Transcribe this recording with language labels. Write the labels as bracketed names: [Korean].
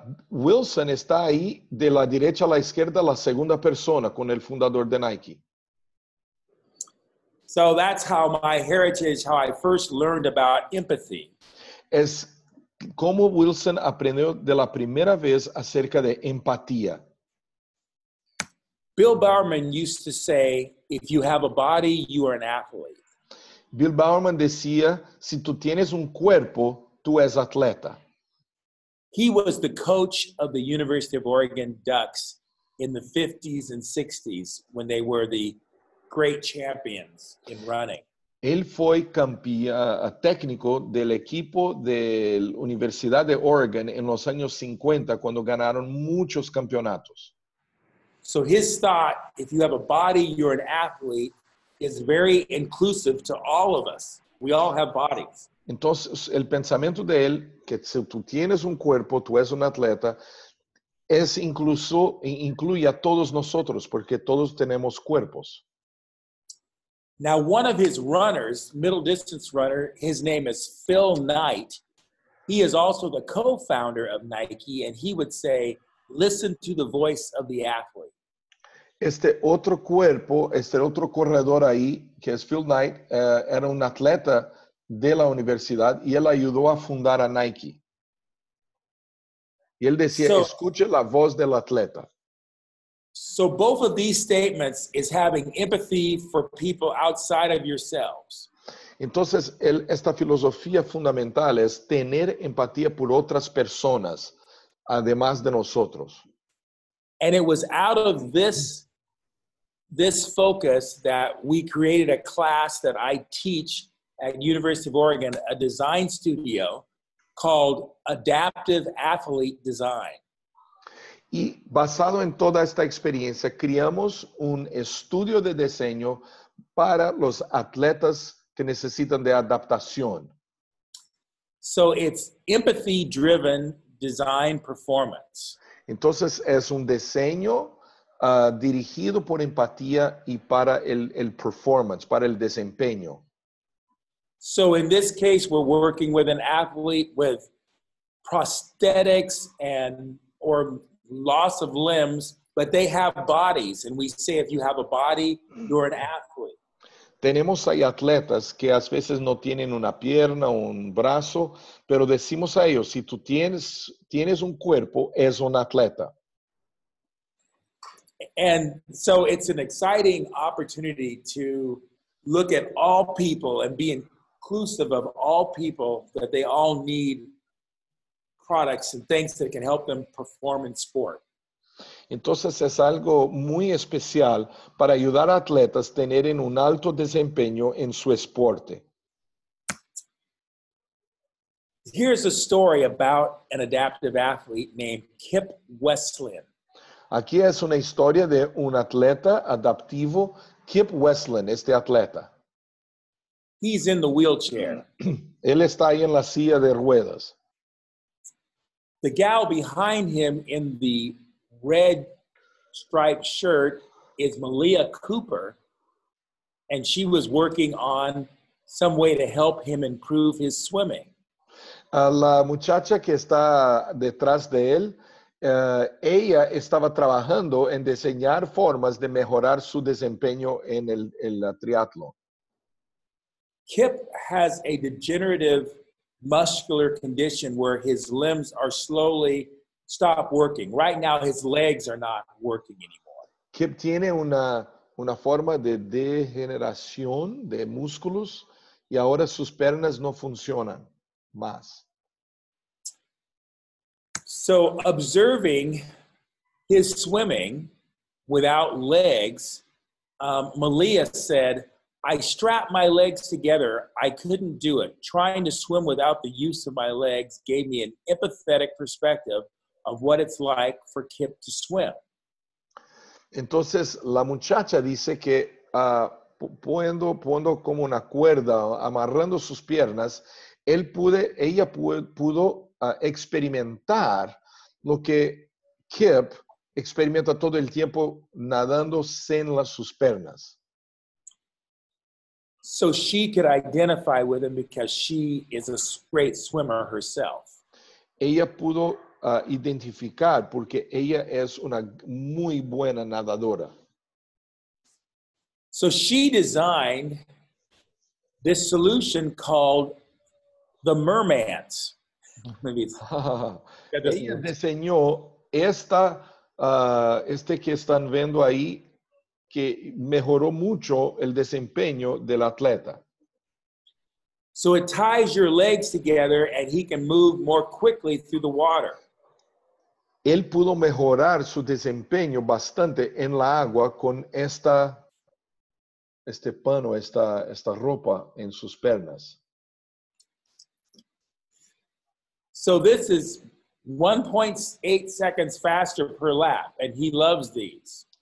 [Spanish] Wilson está ahí de la derecha a la izquierda, la segunda persona con el fundador de Nike. [English] So that's how my heritage, how I first learned about empathy. [Spanish] Es como Wilson aprendió de la primera vez acerca de empatía. [English] Bill Bowerman used to say, if you have a body, you are an athlete. [Spanish] Bill Bowerman decía, si tú tienes un cuerpo, tú eres atleta. [English] He was the coach of the University of Oregon Ducks in the 50s and 60s when they were the great champions in running. [Spanish] Él fue técnico del equipo de la Universidad de Oregon en los años 50 cuando ganaron muchos campeonatos. [English] So So his thought, if you have a body, you're an athlete, is very inclusive to all of us. We all have bodies. [Spanish] Entonces, el pensamiento de él, que si tú tienes un cuerpo, tú eres un atleta, es incluso, incluye a todos nosotros, porque todos tenemos cuerpos. [English] Now, one of his runners, middle distance runner, his name is Phil Knight. He is also the co-founder of Nike, and he would say, listen to the voice of the athlete. [Spanish] Este otro cuerpo, este otro corredor ahí, que es Phil Knight, era un atleta de la universidad y él ayudó a fundar a Nike. Y él decía, so, escuche la voz del atleta. [English] So both of these statements is having empathy for people outside of yourselves. [Spanish] Entonces, esta filosofía fundamental es tener empatía por otras personas, además de nosotros. [English] And it was out of this focus that we created a class that I teach at University of Oregon, a design studio called Adaptive Athlete Design. [Spanish] Y basado en toda esta experiencia, creamos un estudio de diseño para los atletas que necesitan de adaptación. [English] So it's empathy-driven design performance. [Spanish] Entonces es un diseño dirigido por empatía y para el performance, para el desempeño. [English] So in this case, we're working with an athlete with prosthetics and or loss of limbs, but they have bodies. And we say, if you have a body, you're an athlete. [Spanish] Tenemos ahí atletas que a veces no tienen una pierna o un brazo, pero decimos a ellos, si tú tienes un cuerpo, es un atleta. [English] And so it's an exciting opportunity to look at all people and be inclusive of all people, that they all need products and things that can help them perform in sport. [Spanish] Entonces es algo muy especial para ayudar a atletas a tener un alto desempeño en su esporte. [English] Here's a story about an adaptive athlete named Kip Westland. [Spanish] Aquí es una historia de un atleta adaptivo, Kip Westland, este atleta. [English] He's in the wheelchair. [Spanish] Él está ahí en la silla de ruedas. [English] The gal behind him in the red striped shirt is Malia Cooper, and she was working on some way to help him improve his swimming. [Spanish] La muchacha que está detrás de él, ella estaba trabajando en diseñar formas de mejorar su desempeño en el triatlón. [English] Kip has a degenerative muscular condition where his limbs are slowly stop working. Right now his legs are not working anymore. [Spanish] Kip tiene una forma de degeneración de músculos y ahora sus piernas no funcionan más. [English] So observing his swimming without legs, Malia said, I strapped my legs together. I couldn't do it. Trying to swim without the use of my legs gave me an empathetic perspective of what it's like for Kip to swim. [Spanish] Entonces, la muchacha dice que poniendo como una cuerda, amarrando sus piernas, ella pudo experimentar lo que Kip experimenta todo el tiempo nadando sin sus piernas. [English] So she could identify with him because she is a great swimmer herself. [Spanish] Ella pudo identificar porque ella es una muy buena nadadora. [English] So she designed this solution called the Mermans. Maybe it's [Spanish] ella diseñó esta este que están viendo ahí, que mejoró mucho el desempeño del atleta. [English] So it ties your legs together and he can move more quickly through the water. [Spanish] Él pudo mejorar su desempeño bastante en la agua con esta ropa en sus piernas. [English] So this is 1.8 seconds faster per lap and he loves these.